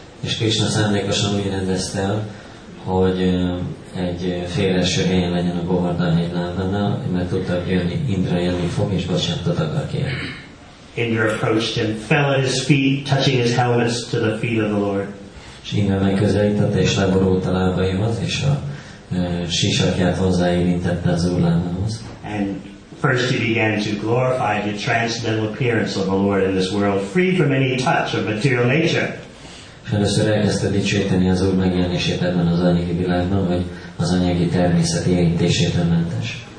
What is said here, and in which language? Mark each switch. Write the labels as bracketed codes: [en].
[hu] És Krishna szándékosan úgy rendezte, hogy egy féleső helyen legyen a Govardhan Hill lábánál, mert tudta, hogy jönni Indra jönni fog, és bocsánatot akar kérni. [en] Indra approached him, fell at his feet, touching his helmet to the feet of the Lord. [hu] Indra megközelítette és leborult a lábaihoz, és a sisakját hozzáérintette az Úr lábához. [en] And first he began to glorify the transcendental appearance of the Lord in this world, free from any touch of material nature. [hu] Először elkezdte dicsőíteni az Úr megjelenését ebben az anyagi világban, hogy az anyagi természet érintésétől mentes.